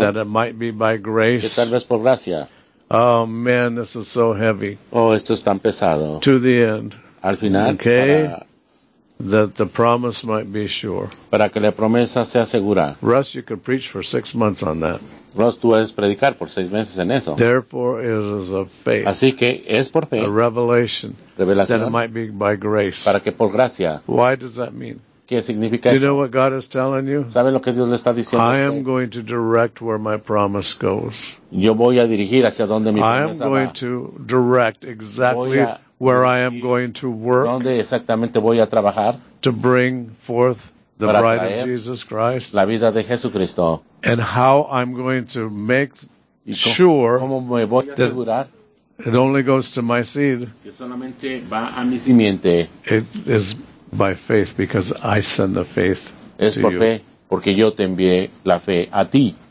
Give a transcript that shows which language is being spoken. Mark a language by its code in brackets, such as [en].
[en] That it might be by grace. [es] Que tal vez por gracia. [en] Oh man, this is so heavy. [es] Oh, esto es tan pesado. [en] To the end. [es] Al final. [en] Okay. That the promise might be sure. [es] Para que la promesa sea segura. [en] Russ, you could preach for 6 months on that. [es] Russ, tú puedes predicar por 6 meses en eso. [en] Therefore, it is of faith. [es] Así que es por fe. [en] A revelation. [es] Revelación. [en] That it might be by grace. [es] Para que por gracia. [en] Why does that mean? [es] ¿Qué significa eso? [en] Do you know what God is telling you? [es] ¿Sabe lo que Dios le está diciendo? [en] I am going to direct where my promise goes. [es] Yo voy a dirigir hacia donde mi promesa va. [en] I am going to direct exactly. Where I am going to work. [es] ¿Dónde exactamente voy a trabajar? [en] To bring forth the bride of Jesus Christ. [es] La vida de Jesucristo. [en] And how I'm going to make sure. [es] ¿Cómo me voy a asegurar? [en] It only goes to my seed. [es] Que solamente va a mi simiente. [en] It is by faith because I send the faith [es] es [en] to [es] por [en] you. [es] Fe porque yo te envié la fe a ti.